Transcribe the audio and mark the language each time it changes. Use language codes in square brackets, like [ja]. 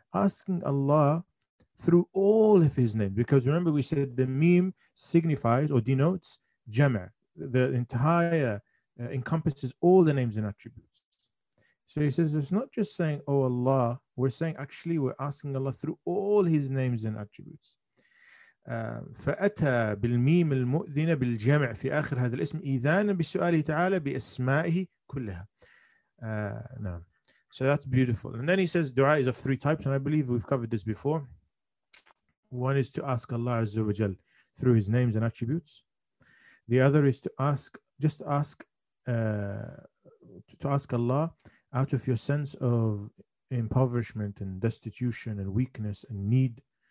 [en] asking Allah through all of His name. Because remember, we said the mim signifies or denotes jama', the entire encompasses all the names and attributes. So he says it's not just saying, "Oh Allah," we're saying actually we're asking Allah through all His names and attributes. [ar] فأتى بالميم المؤذنة بالجمع في آخر هذا الاسم إذانا بسؤاله تعالى بأسمائه كلها. [en] نعم. So that's beautiful. And then he says dua is of three types, and I believe we've covered this before. One is to ask Allah Azza wa Jal through His names and attributes. The other is to ask, just ask, to ask Allah out of your sense of impoverishment and destitution and weakness and need.